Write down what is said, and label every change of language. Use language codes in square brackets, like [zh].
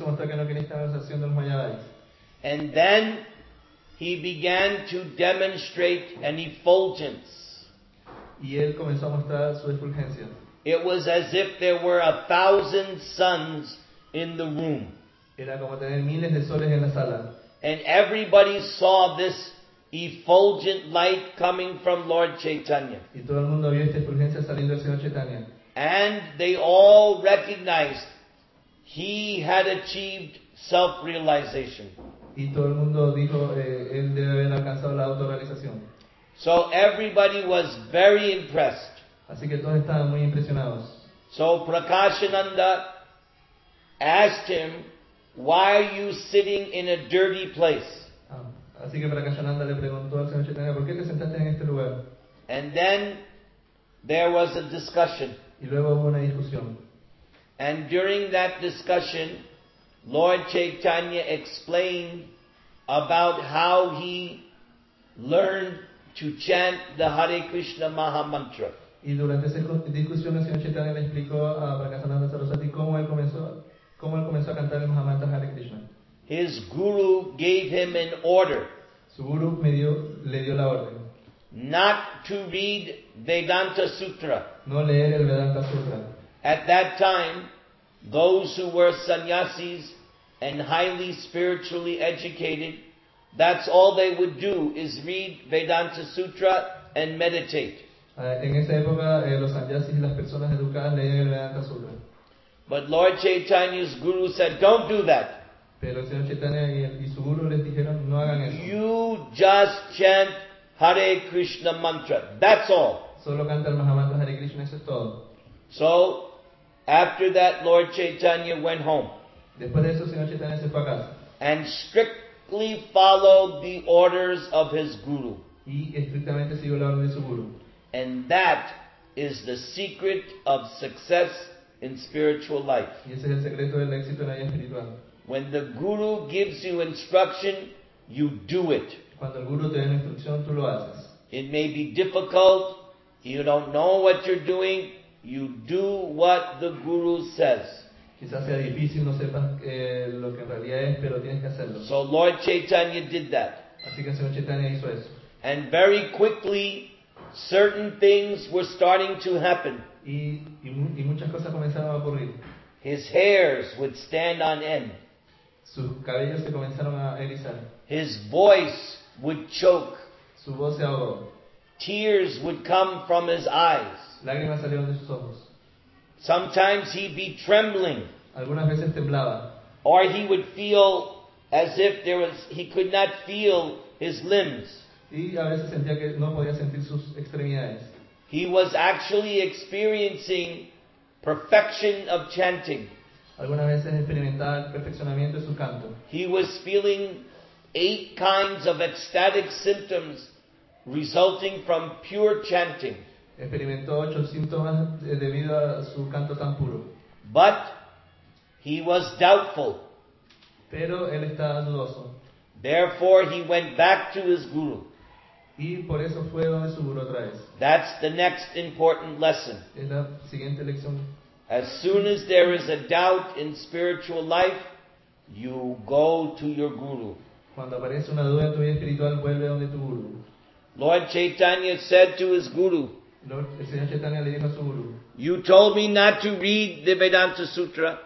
[en] And then he began to demonstrate an effulgence. [es] Y él comenzó a mostrar su efulgencia. [en] It was as if there were 1,000 suns in the room. [es] Era como tener miles de soles en la sala. [en] And everybody saw this effulgent light coming from Lord Chaitanya. [es] Y todo el mundo vio esta efulgencia saliendo del señor Chaitanya. [en] And they all recognized he had achieved self-realization. [es] Y todo el mundo dijo, él debe haber alcanzado la autorrealización. [en] So everybody was very impressed. [es] Así que todos estaban muy impresionados. [en] So Prakashananda asked him, why are you sitting in a dirty place? [es] Así que Prakashananda le preguntó al señor Chaitanya, ¿por qué te sentaste en este lugar? [en] And then there was a discussion. [es] Y luego hubo una discusión. [en] And during that discussion, Lord Chaitanya explained about how he learned to chant the Hare Krishna Maha Mantra. [es] Y durante esa discusión, el señor Chaitanya le explicó a Prakashananda Saraswati cómo él comenzó a cantar el Mahamantra Hare Krishna. [en] His guru gave him an order. [es] Su guru le dio la orden. [en] Not to read Vedanta Sutra. [es] No leer el Vedanta Sutra. [en] At that time, those who were sannyasis and highly spiritually educated, that's all they would do is read Vedanta Sutra and meditate. [es] En esa época, los sannyasis y las personas educadas leían el Vedanta Sutra. [en] But Lord Chaitanya's guru said, don't do that. [es] Pero el señor Chaitanya y su guru les dijeron, no hagan eso. [en] You just chant Hare Krishna mantra. That's all. [es] Solo canta el Mahamantra Hare Krishna, eso es todo. [en] So, after that, Lord Chaitanya went home. [es] Después de eso, el señor Chaitanya se fue a casa. [en] And strictly followed the orders of his guru. [es] Y estrictamente siguió la orden de su guru. [en] And that is the secret of success in spiritual life. [es] Y ese es el secreto del éxito en la vida espiritual. [en] When the guru gives you instruction, you do it. [es] Cuando el guru te da instrucción, tú lo haces. [en] It may be difficult, you don't know what you're doing, you do what the guru says. [es] Quizás sea difícil, no sepas lo que en realidad es, pero tienes que hacerlo. [en] So Lord Chaitanya did that. [es] Así que el señor Chaitanya hizo eso. [en] And very quickly, certain things were starting to happen. [es] Y muchas cosas comenzaron a ocurrir. [en] His hairs would stand on end. [es] Sus cabellos se comenzaron a erizar. [en] His voice would choke. [es] Su voz se ahogó. [en] Tears would come from his eyes. [es] Lágrimas salieron de sus ojos. [en] Sometimes he'd be trembling. [es] Algunas veces temblaba. [en] Or he would feel as if there was, he could not feel his limbs. [es] Y a veces sentía que no podía sentir sus extremidades. [en] He was actually experiencing perfection of chanting. [es] Algunas veces experimentaba el perfeccionamiento de su canto. [en] He was feeling 8 kinds of ecstatic symptoms resulting from pure chanting. [es] Experimentó 8 síntomas debido a su canto tan puro. [en] But he was doubtful. [es] Pero él estaba dudoso. [en] Therefore he went back to his guru. [es] Y por eso fue donde su guru otra vez. [en] That's the next important lesson. [es] Es la siguiente lección. [en] As soon as there is a doubt in spiritual life, you go to your guru. [es] Cuando aparece una duda en tu vida espiritual, vuelve donde tu guru. [en] Lord Chaitanya said to his guru, [es] el Señor Chaitanya le dijo a su guru, [en] you told me not to read the Vedanta Sutra.